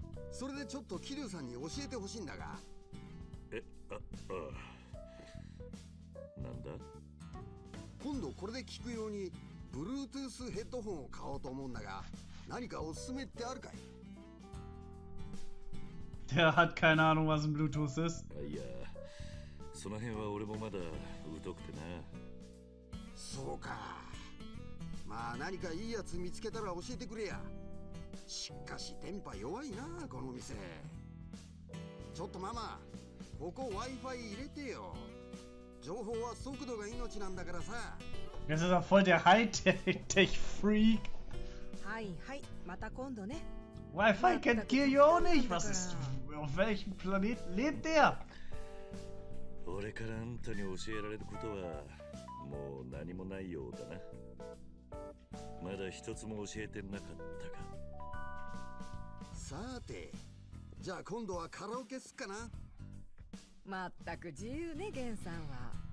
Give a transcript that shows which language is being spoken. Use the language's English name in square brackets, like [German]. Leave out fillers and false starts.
[Japanese] それでちょっと桐生さんに教えてほしいんだが。え、あ、ああ、なんだ？今度これで聞くようにブルートゥースヘッドホンを買おうと思うんだが、何かおすすめってあるかい？ [German] Der hat keine Ahnung, was ein Bluetooth ist. [Japanese] いや、その辺は俺もまだ疎くてな。そうか。まあ何かいいやつ見つけたら教えてくれや。しかし電波弱いな、この店。ちょっとママ、ここ Wi-Fi 入れてよ。情報は速度が命なんだからさ。 [English] This is a [German] voll der High-Tech Freak. [Japanese] はいはい、また今度ね。 [German] Wi-Fi kennt Gil ja auch nicht. Was ist, auf welchem Planet lebt er? [Japanese] 俺からあんたに教えられることはもう何もないようだな。まだ一つも教えてなかったか。さて、じゃあ今度はカラオケすっかな。まったく自由ね、ゲンさんは。